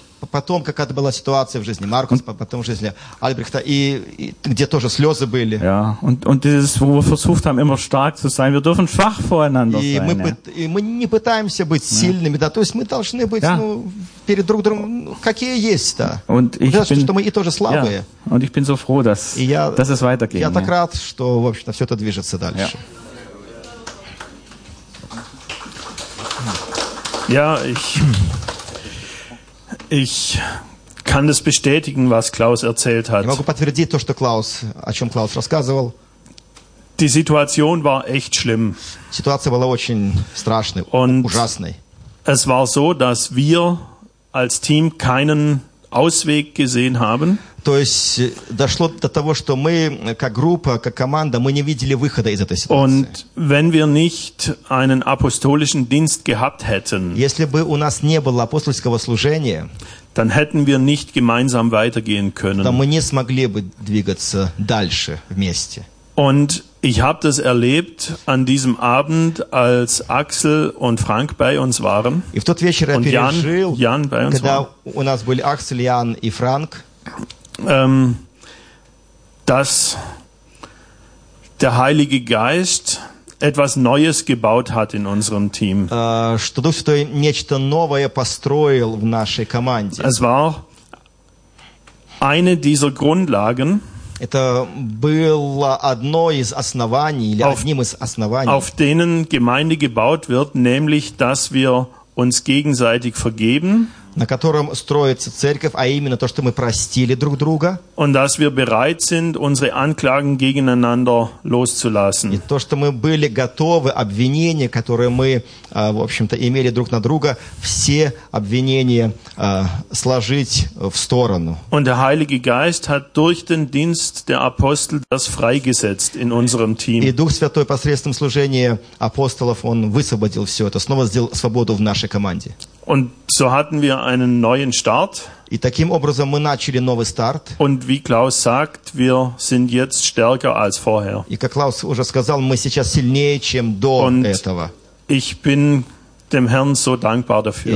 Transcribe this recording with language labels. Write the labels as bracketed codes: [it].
[ru] потом какая-то была ситуация в жизни Маркус, потом в жизни Альбрехта, и где тоже слезы были. [de] Ja, und dieses, wo wir versucht haben, immer stark zu sein, wir dürfen schwach voreinander sein. [ru] И мы не пытаемся быть сильными, да, то есть мы должны быть, перед друг другом, какие есть, да. [de] Und ich bin, [ru] что мы и тоже слабые. [de] Ja, und ich bin so froh, dass es weitergeht. [ru] Я так рад, что, в общем-то, все это движется дальше. [de] Ja, ich kann das bestätigen, was Klaus erzählt hat. Ich [ru] могу подтвердить то, что Клаус, о чем Клаус рассказывал. [de] Die Situation war echt schlimm. [ru] Ситуация была очень страшной, [de] und [ru] ужасной. [de] Es war so, dass wir als Team keinen Ausweg gesehen haben. [ru] То есть дошло до того, что мы как группа, как команда, мы не видели выхода из этой ситуации. [de] Und wenn wir nicht einen apostolischen Dienst gehabt hätten, [ru] если бы у нас не было апостольского служения, [de] dann hätten wir nicht gemeinsam weitergehen können. Dann [ru] мы не смогли бы двигаться дальше вместе. [de] Und ich habe das erlebt an diesem Abend, als Axel und Frank bei uns waren. [ru] И в тот вечер я пережил, [de] Jan bei uns [ru] когда у нас были Аксель, Ян и Франк. [de] Dass der Heilige Geist etwas Neues gebaut hat in unserem Team. [ru] Что Дух Святой нечто новое построил в нашей команде. [de] Es war eine dieser Grundlagen. [ru] Это было одно из оснований или одним из оснований. [de] Auf denen Gemeinde gebaut wird, nämlich dass wir uns gegenseitig vergeben. [ru] На котором строится церковь, а именно то, что мы простили друг друга. [de] Und dass wir bereit sind, unsere Anklagen gegeneinander loszulassen. [ru] И то, что мы были готовы обвинения, которые мы, в общем-то, имели друг на друга, все обвинения сложить в сторону. [de] Und der Heilige Geist hat durch den Dienst der Apostel das freigesetzt in unserem Team. [ru] И Дух Святой посредством служения апостолов он высвободил все это, снова сделал свободу в нашей команде. [de] Und so hatten wir einen neuen Start. [ru] И таким образом мы начали новый старт. [de] Und wie Klaus sagt, wir sind jetzt stärker als vorher. [ru] И как Клаус уже сказал, мы сейчас сильнее, чем до этого. [de] Ich bin dem Herrn so dankbar dafür.